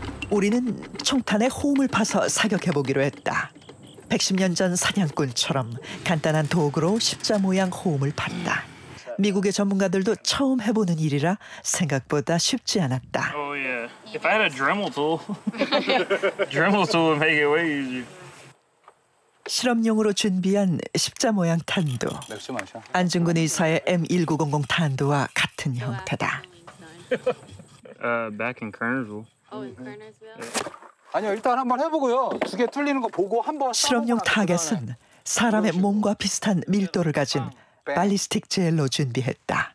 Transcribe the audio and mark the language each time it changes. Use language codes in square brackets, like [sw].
[ko] 우리는 총탄에 홈을 파서 사격해보기로 했다. 110년 전 사냥꾼처럼 간단한 도구로 십자 모양 홈을 팠다. 미국의 전문가들도 처음 해보는 일이라 생각보다 쉽지 않았다. [en] Oh yeah. If I had a Dremel tool, Dremel tool would make it way easier. [ko] 실험용으로 준비한 십자 모양 탄도. 안중근 의사의 M1900 탄도와 같은 형태다. [en] Back in Kernersville. Oh, in Kernersville. [ko] 아니요, 일단 한번 해보고요. 두 개 틀리는 거 보고 한번. 실험용 타겟은 사람의 몸과 비슷한 밀도를 가진 발리스틱 젤로 준비했다.